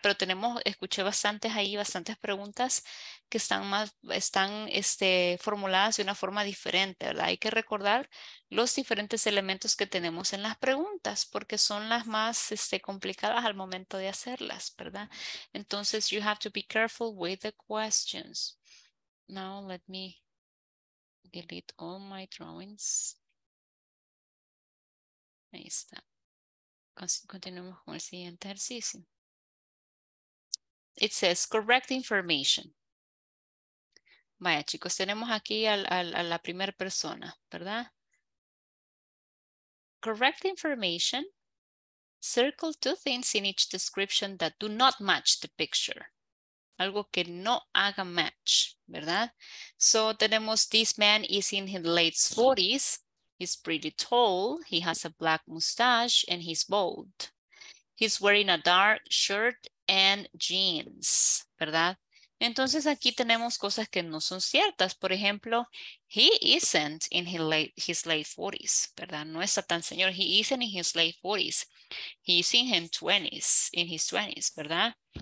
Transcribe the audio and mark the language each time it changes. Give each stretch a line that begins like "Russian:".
Spanish: Pero tenemos, escuché bastantes ahí, bastantes preguntas que están formuladas de una forma diferente, ¿verdad? Hay que recordar los diferentes elementos que tenemos en las preguntas porque son las más complicadas al momento de hacerlas, ¿verdad?
English: Entonces, you have to be careful with the questions. Now, let me delete all my drawings.
Spanish: Ahí está. Continuemos con el siguiente ejercicio.
English: It says, correct information.
Spanish: Vaya, chicos, tenemos aquí a la primera persona, ¿verdad?
English: Correct information. Circle two things in each description that do not match the picture.
Spanish: Algo que no haga match, ¿verdad?
English: So tenemos, this man is in his late 40s. He's pretty tall. He has a black mustache and he's bald. He's wearing a dark shirt and jeans, ¿verdad?
Spanish: Entonces aquí tenemos cosas que no son ciertas. Por ejemplo,
English: he isn't in his late 40s,
Spanish: ¿verdad? No está tan señor.
English: He isn't in his late 40s. He's in his 20s, ¿verdad?